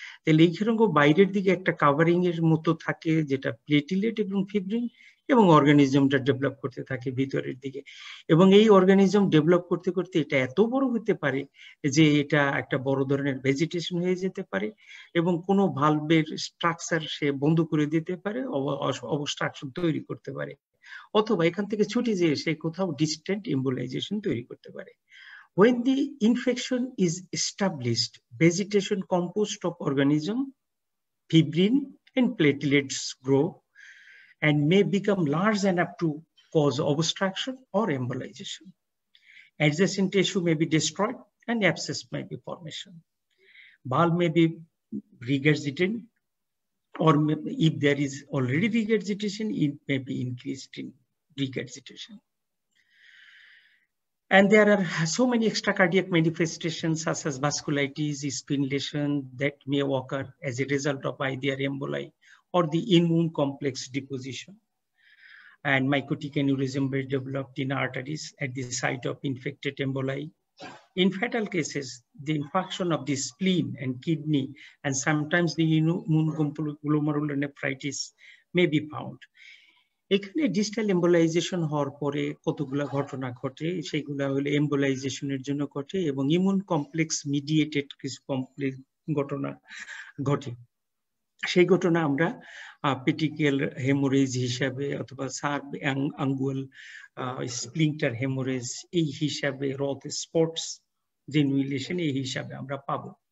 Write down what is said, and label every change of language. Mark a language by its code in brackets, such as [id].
[bn] তাহলে এই রঙ বাইরের দিকে একটা কাভারিং এর মতো থাকে যেটা প্লেটিলেট এবং ফিব্রিন, এবং অর্গানিজমটা ডেভেলপ করতে থাকে ভিতরের দিকে, এবং এই অর্গানিজম ডেভেলপ করতে করতে এটা এত বড় হতে পারে যে এটা একটা বড় ধরনের ভেজিটেশন হয়ে যেতে পারে এবং কোন ভালভের স্ট্রাকচার সে বন্ধ করে দিতে পারে, অবস্ট্রাকশন তৈরি করতে পারে, অথবা এখান থেকে ছুটি যেয়ে সে কোথাও ডিস্টেন্ট ইম্বোলাইজেশন তৈরি করতে পারে. [en] When the infection is established, vegetation composed of organism, fibrin and platelets grow and may become large enough to cause obstruction or embolization. Adjacent tissue may be destroyed and abscess may be formation. Bulb may be regurgitant, or may, if there is already regurgitation, it may be increased in regurgitation. And there are so many extra cardiac manifestations such as vasculitis, spin lesion that may occur as a result of either emboli or the immune complex deposition. And mycotic aneurysm were developed in arteries at the site of infected emboli. In fatal cases, the infarction of the spleen and kidney and sometimes the immune glomerular nephritis may be found. [bn] এখানে distal embolization হওয়ার পরে কতগুলো ঘটনা ঘটে, সেইগুলো হলো এম্বোলাইজেশনের জন্য ঘটে এবং ইমিউন কমপ্লেক্স মিডিয়েটেড কিছু কমপ্লেক্স ঘটনা ঘটে, সেই ঘটনা আমরা পেটিকেল হেমোরেজ হিসাবে অথবা সাব অ্যাঙ্গুয়াল স্প্লিন্টার হেমোরেজ এই হিসাবে, রথ স্পট্স জেনুইলেশন এই হিসাবে আমরা পাবো.